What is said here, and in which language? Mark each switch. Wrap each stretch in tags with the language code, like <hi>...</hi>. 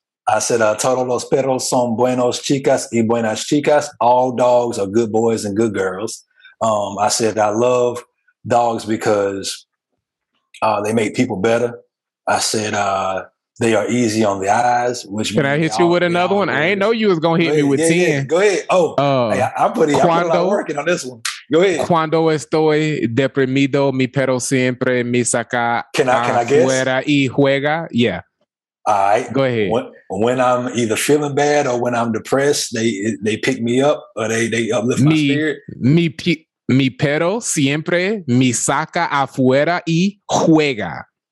<en>I said,</en> <es>todos los perros son buenos chicas y buenas chicas.</es> <en>All dogs are good boys and good girls. I said, I love dogs because they make people better. I said, they are easy on the eyes. Which can I hit you with another one? Good. I ain't know you was going to hit me with 10. Yeah. Go ahead. Oh, I'm working on this one. Go ahead.</en> <es>Cuando estoy deprimido, mi perro siempre me saca afuera y juega. Yeah.</es> <en>All right. Go ahead. When I'm either feeling bad or when I'm depressed, they pick me up or they uplift my spirit.</en> <es>Mi perro siempre me saca afuera y juega.</es>